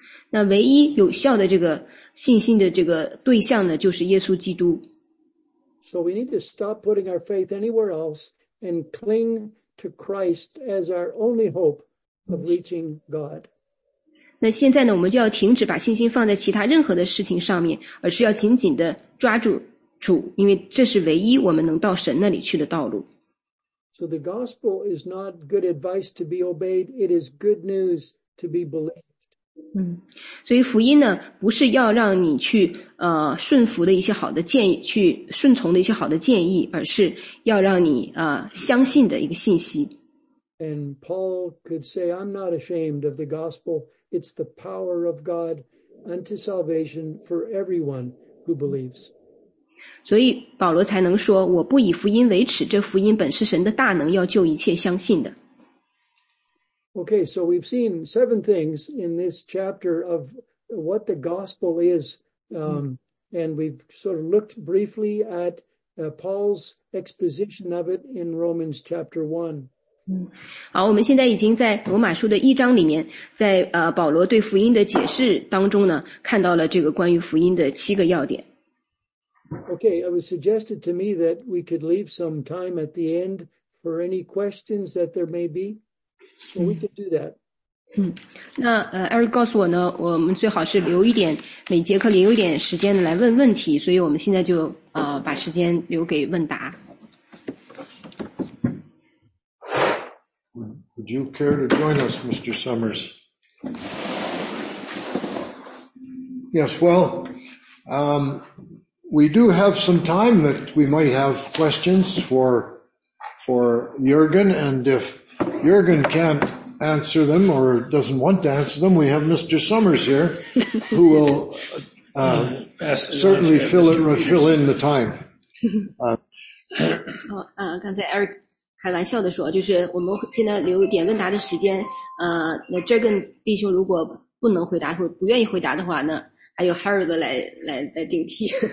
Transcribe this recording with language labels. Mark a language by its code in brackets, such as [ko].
[zh] 那唯一有效的这个信心的这个对象呢，就是耶稣基督。 [en] So we need to stop putting our faith anywhere else and cling to Christ as our only hope of reaching God. [zh] 那现在呢，我们就要停止把信心放在其他任何的事情上面，而是要紧紧的抓住主，因为这是唯一我们能到神那里去的道路。 [en] So the gospel is not good advice to be obeyed, it is good news to be believed. [zh] 所以福音呢，不是要让你去顺服的一些好的建议，去顺从的一些好的建议，而是要让你相信的一个信息。 [en] And Paul could say, I'm not ashamed of the gospel, it's the power of God unto salvation for everyone who believes. [zh] 所以保罗才能说，我不以福音为耻，这福音本是神的大能，要救一切相信的。 [en] Okay, so we've seen seven things in this chapter of what the gospel is, and we've sort of looked briefly at Paul's exposition of it in Romans chapter 1. [zh] 好，我们现在已经在罗马书的一章里面，在保罗对福音的解释当中呢，看到了这个关于福音的七个要点。 [en] Okay, it was suggested to me that we could leave some time at the end for any questions that there may be. So we could do that. [zh] 那Eric 告诉我呢，我们最好是留一点，每节课留一点时间来问问题，所以我们现在就把时间留给问答。 [en] Would you care to join us, Mr. Summers? Yes, well, we do have some time that we might have questions for Jürgen, and if Jürgen can't answer them or doesn't want to answer them, we have Mr. Summers here who will certainly fill in the time. [zh] 刚才 Eric 开玩笑的说，就是我们现在留点问答的时间，那 Jürgen 弟兄如果不能回答或不愿意回答的话，那还有 Harold 来顶替。